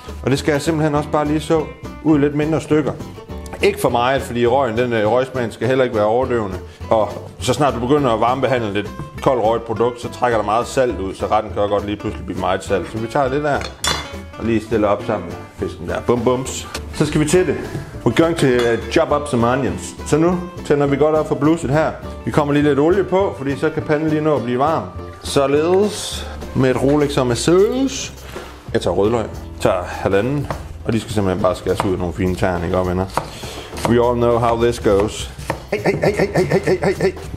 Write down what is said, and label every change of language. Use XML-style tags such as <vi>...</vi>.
<da>Og det skal jeg simpelthen også bare lige så ud i lidt mindre stykker. Ikke for meget, fordi røgen, den røgsmagen skal heller ikke være overdøvende. Og så snart du begynder at varmebehandle lidt koldt røget produkt, så trækker der meget salt ud, så retten kan godt lige pludselig blive meget salt. Så vi tager det der, og lige stiller op sammen med fisken der. Bum bums. Så skal vi til det.</da> <en>We're going to chop up some onions.</en> <da>Så nu tænder vi godt op for bluset her. Vi kommer lige lidt olie på, fordi så kan panden lige nå at blive varm. Således med et Rolex og med sauce. Jeg tager rødløg. Tager halvanden. Og de skal simpelthen bare skæres ud af nogle fine tern, ikke op, venner?</da> <en>We all know how this goes.</en> <da>Hey, hey, hey, hey, hey, hey, hey, hey.</da>